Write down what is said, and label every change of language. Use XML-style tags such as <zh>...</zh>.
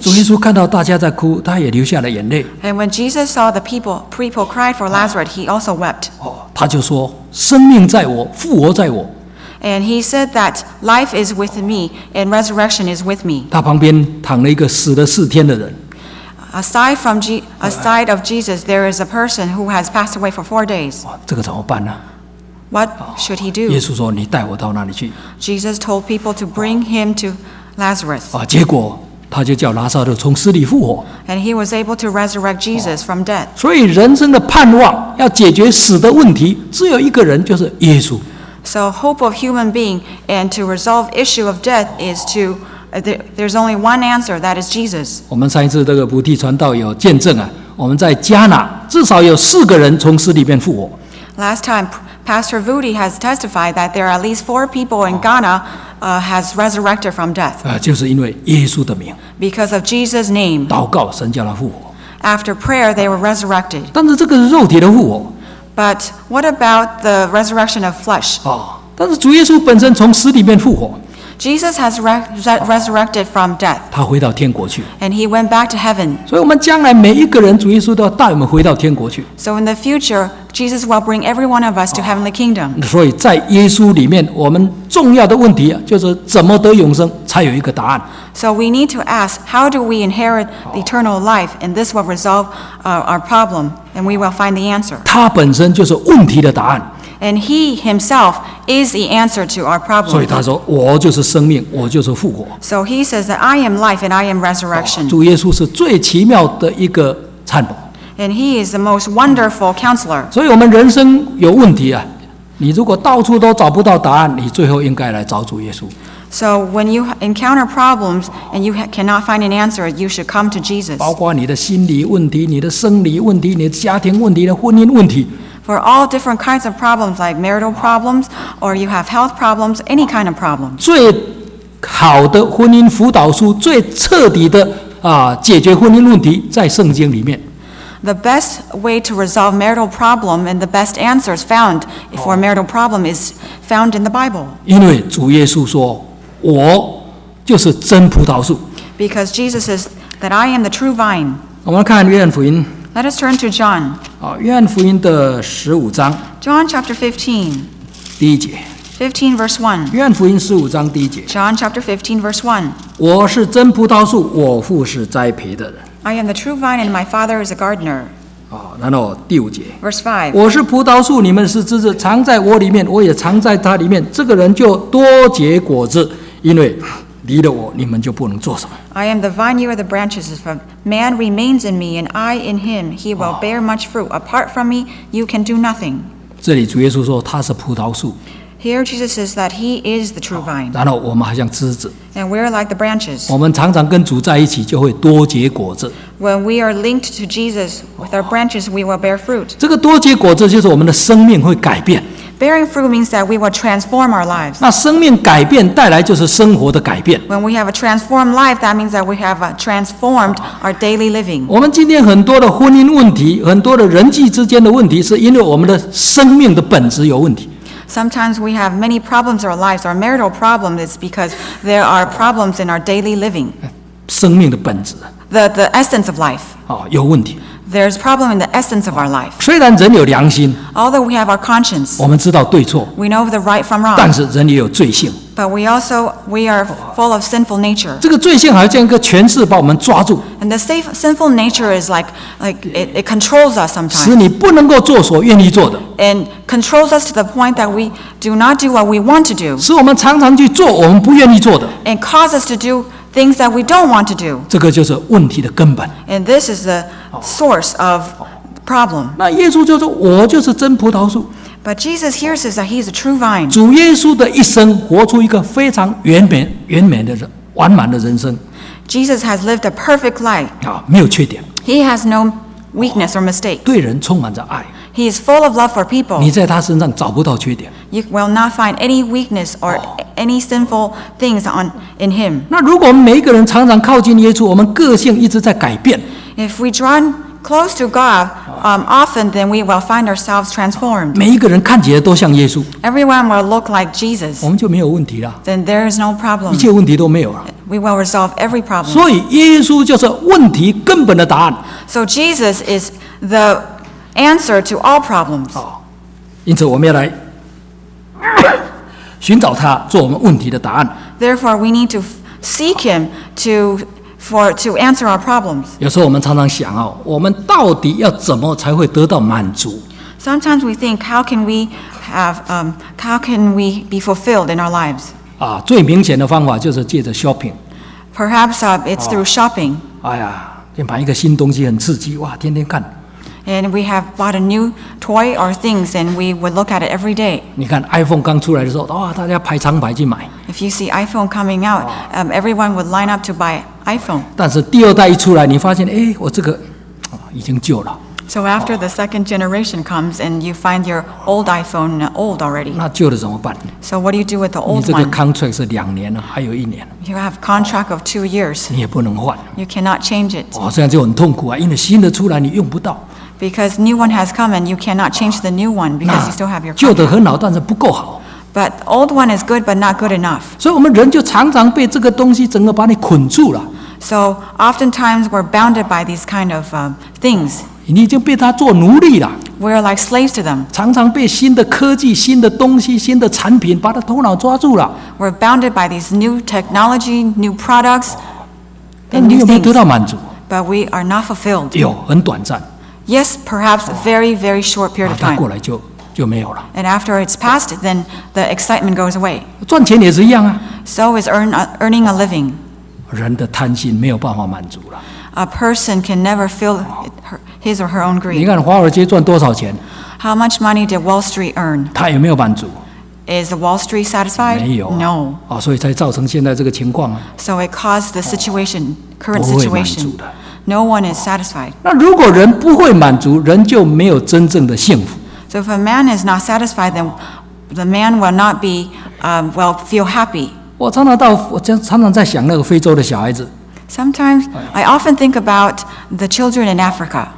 <zh>主耶稣看到大家在哭，他也流下了眼泪。</zh> <en>And when Jesus saw the people cried for Lazarus, he also wept.</en> <zh>他就说，生命在我，复活在我。</zh> <en>And he said that life is with me, and resurrection is with me.</en> <zh>他旁边躺了一个死了四天的人。</zh> <en>Aside of Jesus, there is a person who has passed away for 4 days.</en> <zh>这个怎么办呢?</zh> <en>What should he do?</en> <zh>耶稣说，你带我到那里去。</zh> <en>Jesus told people to bring him to Lazarus.</en> <zh>结果他就叫拉撒路从死里复活。</zh> <en>And he was able to resurrect Jesus from death.</en> <zh>所以人生的盼望要解决死的问题，只有一个人，就是耶稣。</zh> <en>So hope of human being and to resolve issue of death is to There's only one answer, that is Jesus.</en> <zh>我们上一次这个菩提传道有见证啊，我们在迦拿至少有四个人从死里面复活。</zh> <en>Last time, Pastor Vudi has testified that there are at least 4 people in Ghana has resurrected from death.</en> <zh>就是因为耶稣的名。</zh> <en>Because of Jesus' name.</en> <zh>祷告，神叫他复活。</zh> <en>After prayer, they were resurrected.</en> <zh>但是这个是肉体的复活。</zh> <en>But what about the resurrection of flesh?</en> <zh>但是主耶稣本身从死里面复活。</zh> <en>Jesus has resurrected from death.</en> <zh>他回到天国去。</zh> <en>And he went back to heaven.</en> <zh>所以我们将来每一个人，主耶稣都要带我们回到天国去。</zh> <en>So in the future, Jesus will bring every one of us to heavenly kingdom.</en> <zh>所以在耶稣里面，我们重要的问题就是怎么得永生，才有一个答案。</zh> <en>So we need to ask, how do we inherit the eternal life? And this will resolve our problem, and we will find the answer.</en> <zh>他本身就是问题的答案。</zh> <en>And he himself is the answer to our problem.</en> <zh>所以他说，我就是生命，我就是复活。</zh> <en>So he says that I am life and I am resurrection.</en> <zh>主耶稣是最奇妙的一个参谋。</zh> <en>And he is the most wonderful counselor.</en> <zh>所以我们人生有问题啊，你如果到处都找不到答案，你最后应该来找主耶稣。</zh> <en>So when you encounter problems and you cannot find an answer, you should come to Jesus.</en> <zh>包括你的心理问题、你的生理问题、你的家庭问题、你的婚姻问题。</zh> <en>For all different kinds of problems, like marital problems, or you have health problems, any kind of problem.</en> <zh>最好的婚姻辅导书，最彻底的解决婚姻问题，在圣经里面。</zh> <en>the best way to resolve marital problem and the best answers found for a marital problem is found in the Bible.</en> <zh>因为主耶稣说，我就是真葡萄树。</zh> <en>Because Jesus says that I am the true vine.</en> <zh>我们看约翰福音。</zh> <en>Let us turn to John.</en> <zh>约翰福音的十五章。</zh> <en>John chapter 15.</en> <zh>第一节。</zh> <en>15 verse 1.</en> <zh>约翰福音十五章第一节。</zh> <en>John chapter 15 verse 1.</en> <zh>我是真葡萄树，我父是栽培的人。</zh> <en>I am the true vine and my father is a gardener.</en> <zh>然后第五节。</zh> <en>Verse 5.</en> <zh>我是葡萄树，你们是枝子，藏在我里面，我也藏在他里面，这个人就多结果子，因为离了我，你们就不能做什么。</zh> <en>I am the vine, you are the branches. If a man remains in me and I in him, he will bear much fruit. Apart from me, you can do nothing.</en> <zh>这里主耶稣说他是葡萄树。</zh> <en>Here Jesus says that he is the true vine.</en> <zh>然后我们好像枝子。</zh> <en>And we're like the branches.</en> <zh>我们常常跟主在一起就会多结果子。</zh> <en>When we are linked to Jesus with our branches, we will bear fruit.</en> <zh>这个多结果子就是我们的生命会改变。</zh> <en>Bearing fruit means that we will transform our lives.</en> <zh>那生命改变带来就是生活的改变。</zh> <en>When we have a transformed life, that means that we have transformed our daily living.</en> <zh>我们今天很多的婚姻问题，很多的人际之间的问题，是因为我们的生命的本质有问题。</zh> <en>Sometimes we have many problems in our lives. Our marital problem is because there are problems in our daily living.</en> <zh>生命的本质。</zh> <en>The essence of life.</en> <zh>有问题。</zh> <en>There's problem in the essence of our life.</en> <zh>虽然人有良心。</zh> <en>Although we have our conscience.</en> <zh>我们知道对错。</zh> <en>We know the right from wrong.</en> <zh>但是人也有罪性。</zh> <en>But we are full of sinful nature.</en> <zh>这个罪性好像一个权势把我们抓住。</zh> <en>And the sinful nature is like it controls us sometimes.</en> <zh>使你不能够做所愿意做的。</zh> <en>And controls us to the point that we do not do what we want to do.</en> <zh>使我们常常去做我们不愿意做的。</zh> <en>And cause us to do things that we don't want to do.</en> <zh>这个就是问题的根本。</zh> <en>And this is the source of problem.</en> <zh>那耶稣就说，我就是真葡萄树。</zh> <en>But Jesus here says that he is a true vine.</en> <zh>主耶稣的一生活出一个非常圆满的人，完满的人生。</zh> <en>Jesus has lived a perfect life.</en> <zh>没有缺点。</zh> <en>He has no weakness or mistake.</en> <zh>对人充满着爱。</zh> <en>He is full of love for people.</en> <zh>你在他身上找不到缺点。</zh> <en>You will not find any weakness or any sinful things in him.</en> <zh>那如果我们每一个人常常靠近耶稣，我们个性一直在改变。</zh> <en>If we draw close to God, often then we will find ourselves transformed.</en> <zh>每一个人看起来都像耶稣。</zh> <en>Everyone will look like Jesus.</en> <zh>我们就没有问题了。</zh> <en>Then there is no problem.</en> <zh>一切问题都没有了。</zh> <en>We will resolve every problem.</en> <zh>所以耶稣就是问题根本的答案。</zh> <en>So Jesus is the answer to all problems.</en> <zh>因此我们要来寻找他做我们问题的答案。</zh> <en>Therefore, we need to seek him to answer our problems.</en> <zh>有时候我们常常想我们到底要怎么才会得到满足？</zh> <en>Sometimes we think, how can we be fulfilled in our lives?</en> <zh>最明显的方法就是借着 shopping.</zh> <en>Perhaps it's through shopping.</en> <zh>买一个新东西很刺激，哇，天天看。</zh> <en>And we have bought a new toy or things, and we would look at it every day.</en> <zh>你看 iPhone 刚出来的时候，大家排长排去买。</zh> <en>If you see iPhone coming out, everyone would line up to buy iPhone.</en> <zh>但是第二代一出来，你发现，我这个已经旧了。</zh> <en>So after the second generation comes, and you find your old iPhone old already.</en> <zh>那旧的怎么办？</zh> <en>So what do you do with the old one?</en> <zh>你这个 contract 是两年了，还有一年。</zh> <en>You have contract of 2 years.</en> <zh>你也不能换。</zh> <en>You cannot change it.</en> <zh>这样就很痛苦啊，因为新的出来你用不到。</zh> <en>Because new one has come and you cannot change the new one because you still have your</en> <zh>contract. 旧的很好，但是不够好。</zh> <en>But old one is good but not good enough.</en> <zh>所以我们人就常常被这个东西整个把你捆住了。</zh> <en>So oftentimes we're bounded by these kind of things.</en> <zh>你已经被它做奴隶了。</zh> <en>We're like slaves to them.</en> <zh>常常被新的科技、新的东西、新的产品把它头脑抓住了。</zh> <en>We're bounded by these new technology, new products, and new things.</en> <zh>但你有没有得到满足？</zh> <en>But we are not fulfilled.</en> <zh>有，很短暂。</zh> <en>Yes, perhaps a very, very short period of time.</en> <zh>过来就没有了。</zh> <en>And after it's passed, then the excitement goes away.</en> <zh>赚钱也是一样啊。</zh> <en>So is earning a living.</en> <zh>人的贪心没有办法满足了。</zh> <en>A person can never fill his or her own greed.</en> <zh>你看华尔街赚多少钱？</zh> <en>How much money did Wall Street earn?</en> <zh>他有没有满足？</zh> <en>Is Wall Street satisfied?</en> <zh>没有。</zh> <en>No.</en> <zh>所以才造成现在这个情况啊。</zh> <en>So it caused the situation, current situation.</en> <zh>不会满足的。</zh> <en>No one is satisfied.</en> <zh>那如果人不会满足，人就没有真正的幸福。</zh> <en>So if a man is not satisfied, then the man will not be, will feel happy.</en> <zh>我常常在想那个非洲的小孩子。</zh> <en>Sometimes I often think about the children in Africa.</en>